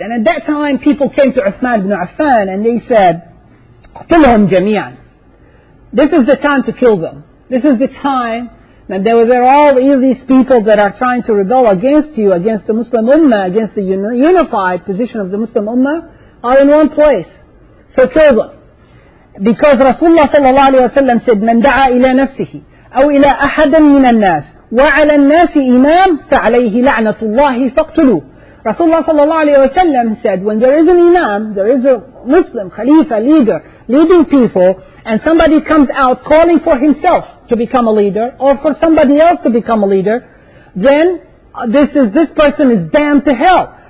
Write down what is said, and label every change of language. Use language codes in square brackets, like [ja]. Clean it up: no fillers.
[en] And at that time, people came to Uthman ibn Affan and they said, [ar] قتلهم جميعا. [en] This is the time to kill them. This is the time that there are all these people that are trying to rebel against you, against the Muslim Ummah, against the unified position of the Muslim Ummah, are in one place. So kill them. Because Rasulullah sallallahu alayhi wa sallam said, [ar] من دعا إلى نفسه أو إلى أحد من الناس وعلى الناس إمام فعليه لعنة الله فاقتلوا. [en] Rasulullah sallallahu alayhi wa sallam said, when there is an imam, there is a Muslim, Khalifa, leader, leading people, and somebody comes out calling for himself to become a leader, or for somebody else to become a leader, then this person is damned to hell.